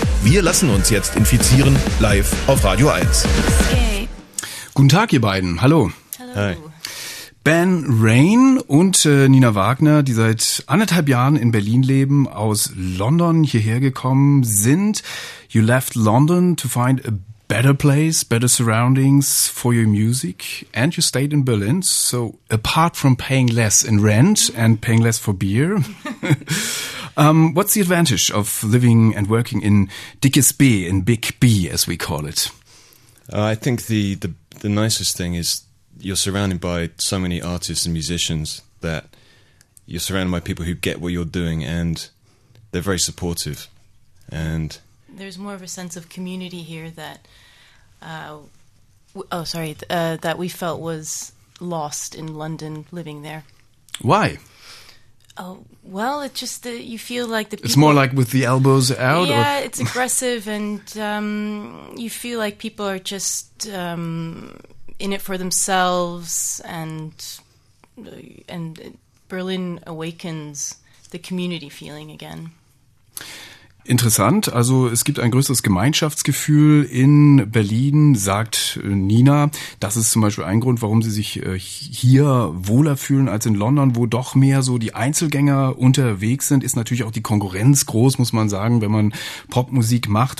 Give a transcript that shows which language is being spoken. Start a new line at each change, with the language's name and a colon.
German: Wir lassen uns jetzt infizieren, live auf Radio 1. Okay. Guten Tag, ihr beiden. Hallo. Hallo. Hi. Ben Rain und Nina Wagner, die seit anderthalb Jahren in Berlin leben, aus London hierher gekommen sind.
English: You left London to find a better place, better surroundings for your music, and you stayed in Berlin. So apart from paying less in rent and paying less for beer, what's the advantage of living and working in Dickes B, in Big B, as we call it? I think the nicest thing is you're surrounded by so many artists and musicians that you're surrounded by people who get what you're doing, and they're very supportive. And there's more of a sense of community here that, that we felt was lost in London, living there. Why? Oh, well, it's just that you feel like the people... It's more like with the elbows out? Yeah, or? It's aggressive, and you feel like people are just in it for themselves, and Berlin awakens the community feeling again.
German: Interessant. Also es gibt ein größeres Gemeinschaftsgefühl in Berlin, sagt Nina. Das ist zum Beispiel ein Grund, warum sie sich hier wohler fühlen als in London, wo doch mehr so die Einzelgänger unterwegs sind. Ist natürlich auch die Konkurrenz groß, muss man sagen, wenn man Popmusik macht.